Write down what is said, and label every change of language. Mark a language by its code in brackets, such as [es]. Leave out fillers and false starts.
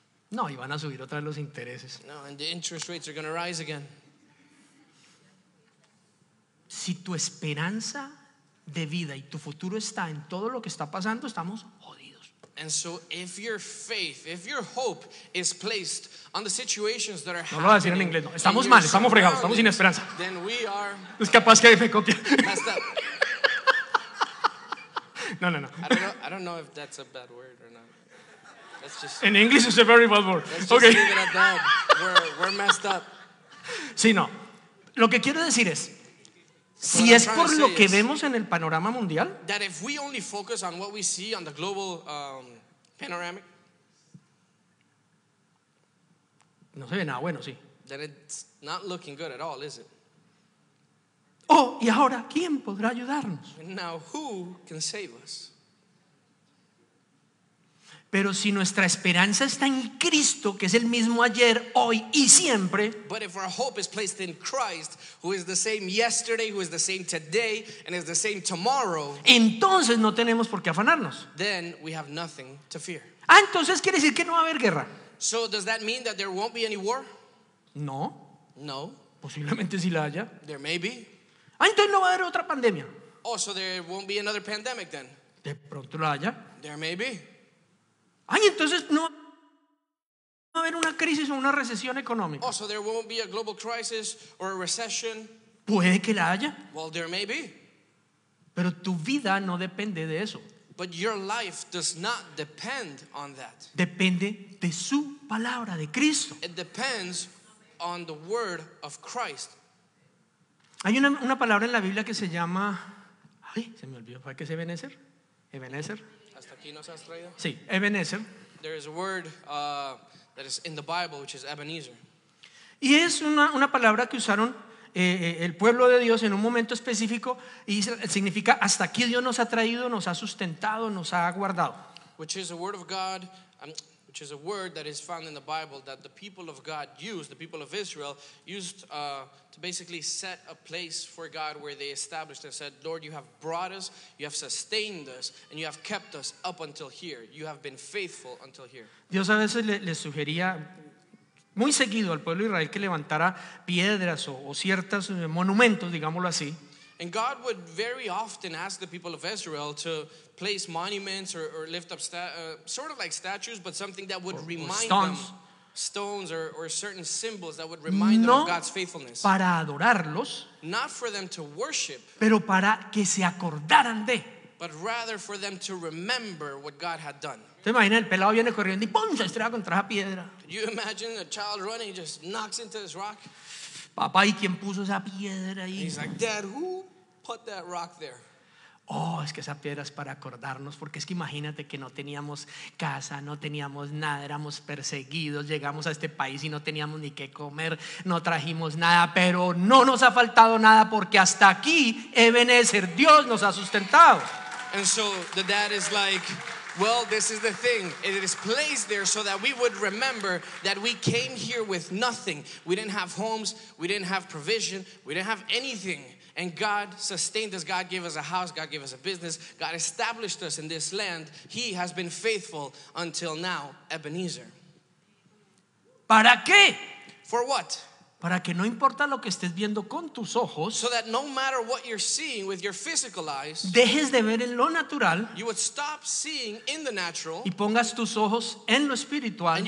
[es] No, y van a subir otra vez los intereses. [en] No, and the interest rates are going to rise again. [es] Si tu esperanza de vida y tu futuro está en todo lo que está pasando, estamos jodidos. [en] And so if your faith, if your hope is placed on the situations that are happening. [es] No lo voy a decir en inglés, no. Estamos mal, estamos fregados, estamos sin esperanza. [en] Then we are. [es] Es capaz que me copia. [en] Messed up. [es] No, no, no. [en] I don't know if that's a bad word or not. That's just in English, it's a very bad word. Let's just leave it at that. We're messed up. [es] Sí, no. Lo que quiero decir es, Si es por lo que vemos en el panorama mundial, [en] that if we only focus on what we see on the global panoramic, [es] no se ve nada bueno, sí. [en] Then it's not looking good at all, is it? [es] Oh, y ahora, ¿quién podrá ayudarnos? [en] Now, who can save us? [es] Pero si nuestra esperanza está en Cristo, que es el mismo ayer, hoy y siempre. [en] But if our hope is placed in Christ, who is the same yesterday, who is the same today, and is the same tomorrow. [es] Entonces no tenemos por qué afanarnos. [en] Then we have nothing to fear. [es] Ah, entonces quiere decir que no va a haber guerra. [en] So does that mean that there won't be any war? [es] No. [en] No. [es] Posiblemente sí la haya. [en] There may be. [es] Ah, entonces no va a haber otra pandemia. [en] Oh, so there won't be another pandemic then. [es] De pronto la haya. [en] There may be. [es] Ay, entonces no va a haber una crisis o una recesión económica. [en] Also, there won't be a global crisis or a recession. [es] Puede que la haya. [en] Well, there may be. [es] Pero tu vida no depende de eso. [en] But your life does not depend on that. [es] Depende de su palabra, de Cristo. [en] It depends on the word of Christ. [es] Hay una palabra en la Biblia que se llama, ay, se me olvidó, ¿para qué es Ebenezer? Ebenezer. Sí, Ebenezer. [en] There is a word that is in the Bible, which is Ebenezer. [es] Y es una palabra que usaron el pueblo de Dios en un momento específico y significa hasta aquí Dios nos ha traído, nos ha sustentado, nos ha guardado. [en] Which is a word of God, which is a word that is found in the Bible that the people of God used, the people of Israel used to basically set a place for God where they established and said, Lord, you have brought us, you have sustained us, and you have kept us up until here. You have been faithful until here. [es] Dios a veces le sugería muy seguido al pueblo de Israel que levantara piedras o ciertos monumentos, digámoslo así. [en] And God would very often ask the people of Israel to place monuments or lift up sort of like statues, but something that would remind them, stones or certain symbols that would remind them of God's faithfulness. [es] Para adorarlos, [en] not for them to worship, [es] pero para que se acordaran de. [en] But rather for them to remember what God had done. [es] ¿Te imaginas? El pelado viene corriendo y ¡pum! Se estrella contra esa piedra. [en] Could you imagine a child running, just knocks into this rock? [es] Papá, ¿y quién puso esa piedra ahí? [en] He's like, Dad, who put that rock there? [es] Oh, es que esa piedra es para acordarnos, porque es que imagínate que no teníamos casa, no teníamos nada, éramos perseguidos, llegamos a este país y no teníamos ni qué comer, no trajimos nada, pero no nos ha faltado nada porque hasta aquí, Ebenezer, Dios nos ha sustentado. [en] And so the dad is like, well, this is the thing. It is placed there so that we would remember that we came here with nothing. We didn't have homes. We didn't have provision. We didn't have anything. And God sustained us. God gave us a house. God gave us a business. God established us in this land. He has been faithful until now, Ebenezer. [es] ¿Para qué? [en] For what? [es] Para que no importa lo que estés viendo con tus ojos, [en] so that no matter what you're seeing with your physical eyes, [es] dejes de ver en lo natural, [en] you would stop seeing in the natural, [es] y pongas tus ojos en lo espiritual,